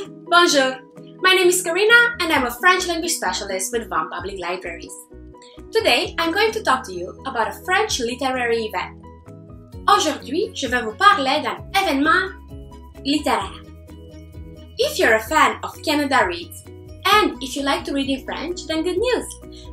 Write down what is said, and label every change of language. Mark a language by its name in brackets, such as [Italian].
[English] Bonjour, my name is Karina and I'm a French language specialist with Vannes Public Libraries. Today, I'm going to talk to you about a French literary event. [French] Aujourd'hui, je vais vous parler d'un événement littéraire. [English] If you're a fan of Canada Reads, and if you like to read in French, then good news!